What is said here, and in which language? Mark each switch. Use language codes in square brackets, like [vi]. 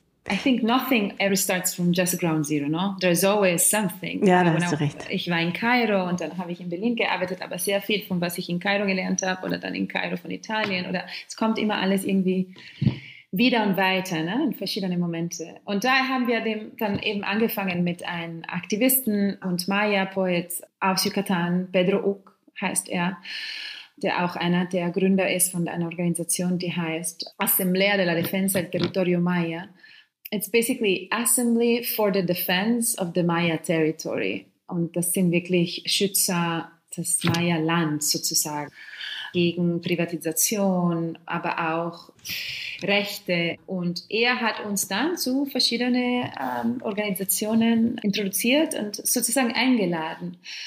[en] I think nothing ever starts from just ground zero, no? There's always something. [de] Ja, da hast du recht. Ich war in Kairo und dann habe ich in Berlin gearbeitet, aber sehr viel von was ich in Kairo gelernt habe oder dann in Kairo von Italien oder es kommt immer alles irgendwie wieder und weiter, ne? In verschiedene Momente. Und da haben wir dann eben angefangen mit einem Aktivisten und Maya-Poet aus Yucatan, Pedro Uc heißt er, der auch einer der Gründer ist von einer Organisation, die heißt Assemblea de la Defensa del Territorio Maya. [en] It's basically Assembly for the Defense of the Maya Territory. [de] Und das sind wirklich Schützer des Maya-Lands sozusagen gegen Privatisation, aber auch Rechte. Und er hat uns dann zu verschiedenen Organisationen introduziert und sozusagen eingeladen.